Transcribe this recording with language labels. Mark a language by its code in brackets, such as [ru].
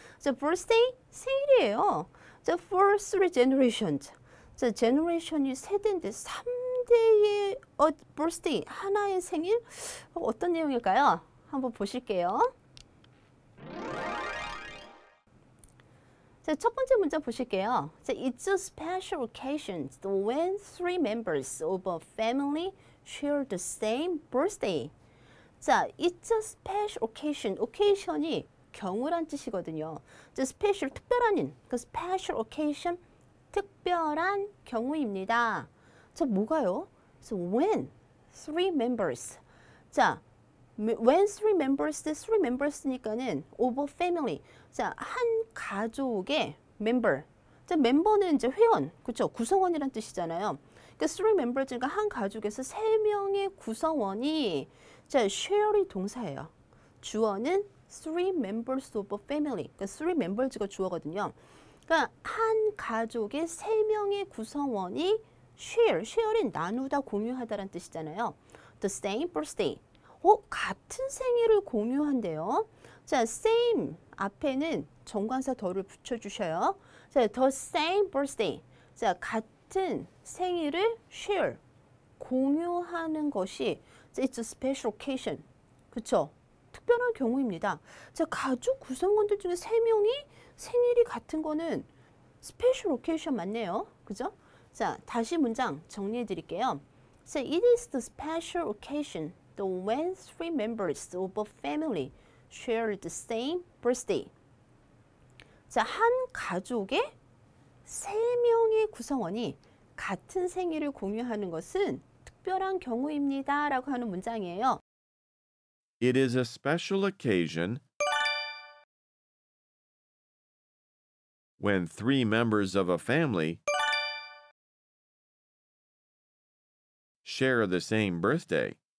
[ko] 자, birthday 생일이에요. 자, [en] for three generations. [ko] 자, generation이 세대인데 3대의 birthday 하나의 생일 어떤 내용일까요? 한번 보실게요. 자, 첫 번째 문제 보실게요. [en] 자, it's a special occasion when three members of a family share the same birthday. [ko] 자, [en] it's a special occasion. [ko] occasion이 경우란 뜻이거든요. 자, special, 특별한인. 그 special occasion, 특별한 경우입니다. 자, 뭐가요? [en] So when three members. [ko] 자, [en] when three members, three members니까는 of a family. [ko] 자, 한 가족의 member. 자, 멤버는 이제 회원. 그렇죠? 구성원이란 뜻이잖아요. 그러니까 three members 그러니까 한 가족에서 세 명의 구성원이 자, share이 동사예요. 주어는 [en] three members of a family. [ko] 그러니까 three members가 주어거든요. 그러니까 한 가족의 세 명의 구성원이 share, share은 나누다, 공유하다라는 뜻이잖아요. [en] the same birthday. [ko] 같은 생일을 공유한대요. 자, same 앞에는 정관사 더를 붙여주셔요. 자, [en] the same birthday. [ko] 자, 같은 생일을 share, 공유하는 것이 [en] it's a special occasion. [ko] 그렇죠? 특별한 경우입니다. 자, 가족 구성원들 중에 세 명이 생일이 같은 거는 special occasion 맞네요. 그죠? 자, 다시 문장 정리해드릴게요. [en] So it is the special occasion. The when three members of a family share the same birthday. [ko] 자, 한 가족의 세 명의 구성원이 같은 생일을 공유하는 것은 특별한 경우입니다. 라고 하는 문장이에요. [en] It is a special occasion when three members of a family share the same birthday.